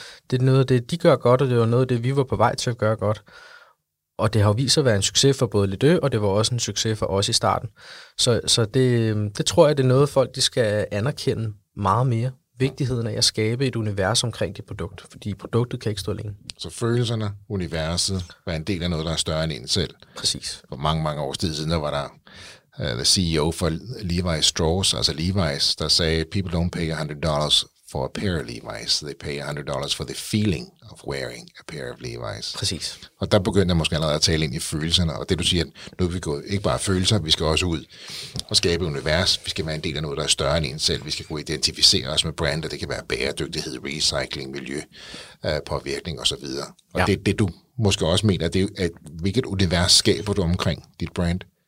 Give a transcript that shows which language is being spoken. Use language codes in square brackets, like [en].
[da] Det er noget af det, de gør godt, og det var noget af det, vi var på vej til at gøre godt. Og det har vist sig at være en succes for både Lidø, og det var også en succes for os i starten. Så det tror jeg, det er noget, folk de skal anerkende meget mere. Vigtigheden af at skabe et univers omkring det produkt, fordi produktet kan ikke stå alene. Så følelserne, universet, var en del af noget, der er større end en selv. Præcis. For mange, mange år siden, der var der [en] the CEO for Levi's Strauss, [da] altså Levi's, der sagde, [en] people don't pay $100 for a pair of Levi's, they pay $100 for the feeling of wearing a pair of Levi's. [da] Præcis. Og der begyndte jeg måske allerede at tale ind i følelserne, og det du siger, nu er vi gået ikke bare følelser, vi skal også ud og skabe et univers, vi skal være en del af noget, der er større end en selv, vi skal kunne identificere os med brand, og det kan være bæredygtighed, recycling, miljø, påvirkning osv. Og ja. Det du måske også mener, det er, at hvilket univers skaber du omkring dit brand?